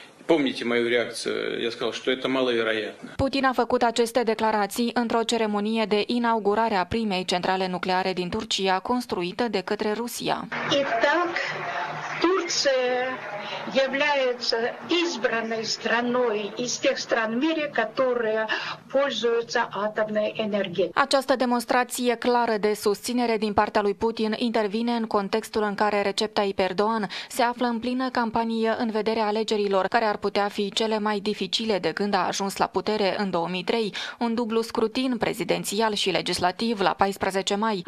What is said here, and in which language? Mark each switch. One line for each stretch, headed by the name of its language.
Russian: Помните мою реакцию? Я сказал, что это маловероятно.
Romanian: Путин a făcut aceste declarații într-o ceremonie de inaugurare a primei centrale nucleare din Turcia, construită de către Rusia.
Russian: И так Турция является избранной страной из тех стран в мире, которые пользуются атомной энергией.
Romanian: Această demonstrație clară de susținere din partea lui Putin intervine în contextul în care Recep Tayyip Erdogan se află în plină campanie în vederea alegerilor, care ar putea fi cele mai dificile de când a ajuns la putere în 2003, un dublu scrutin prezidențial și legislativ la 14 mai.